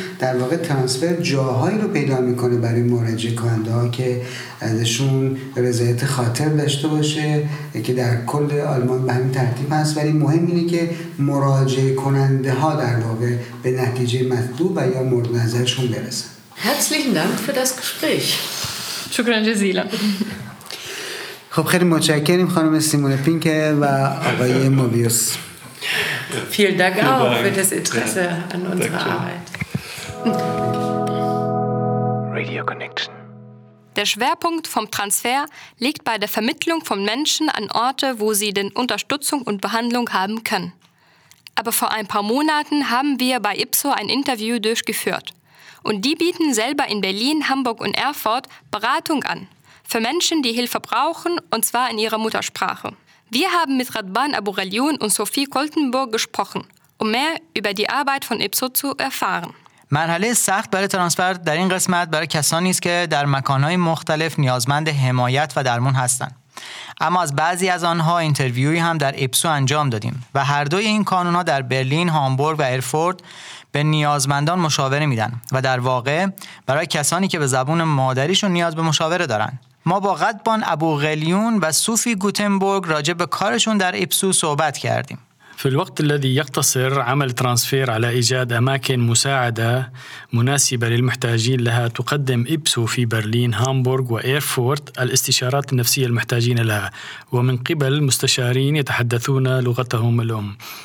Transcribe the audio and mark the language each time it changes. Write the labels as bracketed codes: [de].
[fa] در واقع ترانسفر جاهایی رو پیدا میکنه برای مراجع کننده ها که ازشون رضایت خاطر داشته باشه، که در کل آلمان به همین ترتیب هست، ولی مهم اینه که مراجع کننده ها در واقع به نتیجه مطلوب و یا مورد نظرشون برسن. [de] Herzlichen Dank für das Gespräch. [ar] شکران جزیلا. [fa] خب خیلی متشکریم خانم سیمون پینکه و آقای موبیوس. [de] Vielen Dank auch für das Interesse an unserer Arbeit. Radio Connection. Der Schwerpunkt vom Transfer liegt bei der Vermittlung von Menschen an Orte, wo sie denn Unterstützung und Behandlung haben können. Aber vor ein paar Monaten haben wir bei IPSO ein Interview durchgeführt. Und die bieten selber in Berlin, Hamburg und Erfurt Beratung an. Für Menschen, die Hilfe brauchen, und zwar in ihrer Muttersprache. Wir haben mit Radban Abughalioun und Sophie Koltenburg gesprochen, um mehr über die Arbeit von IPSO zu erfahren. [fa] مرحله سخت برای ترانسفر در این قسمت برای کسانی است که در مکان‌های مختلف نیازمند حمایت و درمان هستند. اما از بعضی از آنها اینترویوی هم در IPSO انجام دادیم و هر دوی این کانون‌ها در برلین، هامبورگ و ارفورت به نیازمندان مشاوره میدن و در واقع برای کسانی که به زبان مادریشون نیاز به مشاوره دارن. ما با قدبان ابوغلیون و صوفی گوتنبرگ راجع به کارشون در IPSO صحبت کردیم. [ar] في الوقت الذي يقتصر عمل ترانسفير على إيجاد أماكن مساعدة مناسبة للمحتاجين لها تقدم إبسو في برلين، هامبورغ وإيرفورت الاستشارات النفسية المحتاجين لها ومن قبل مستشارين يتحدثون لغتهم الأم.